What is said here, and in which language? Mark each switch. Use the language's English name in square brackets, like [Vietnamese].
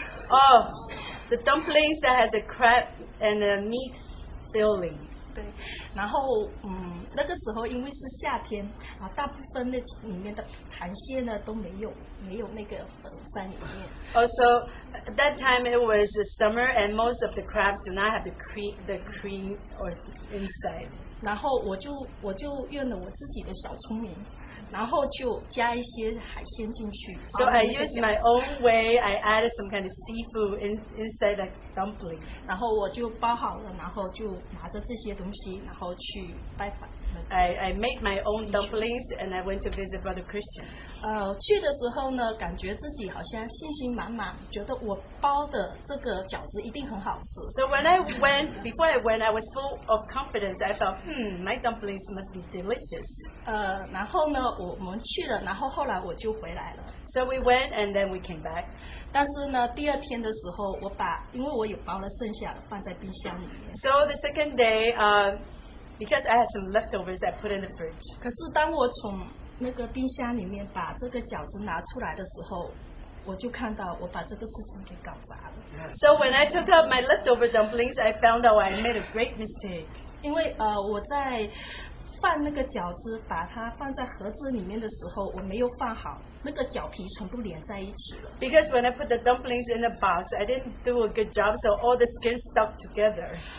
[English] Oh, the dumplings that has a crab and a meat filling. [Chinese] 对，然后那个时候因为是夏天啊，大部分那里面的螃蟹呢都没有那个粉在里面。 [English] Also, at that time it was the summer and most of the crabs do not have the cream or inside. [Chinese] 然后我就用了我自己的小聪明，然后就加一些海鲜进去。 [English] So I used my own way. I added some kind of seafood inside the dumpling. [Chinese] 然后我就包好了，然后就拿着这些东西，然后去拜访。 [English] I made my own dumplings and I went to visit Brother Christian. [Chinese] 去的时候呢，感觉自己好像信心满满，觉得我包的这个饺子一定很好吃。 [English] So when I went, before I went, I was full of confidence. I thought, my dumplings must be delicious. [Chinese] 然后呢，我们去了，然后后来我就回来了。 [English] So we went and then we came back. [Chinese] 但是呢，第二天的时候，我把因为我有包了剩下的放在冰箱里面。 [English] So the second day, because I had some leftovers that I put in the fridge. [Chinese] 可是当我从那个冰箱里面把这个饺子拿出来的时候，我就看到我把这个事情给搞砸了。 [English] So when I took out my leftover dumplings, I found out I made a great mistake. [Chinese] 因为我在放那个饺子，把它放在盒子里面的时候，我没有放好，那个饺皮全部连在一起了。 [English] Because when I put the dumplings in the box, I didn't do a good job, so all the skin stuck together.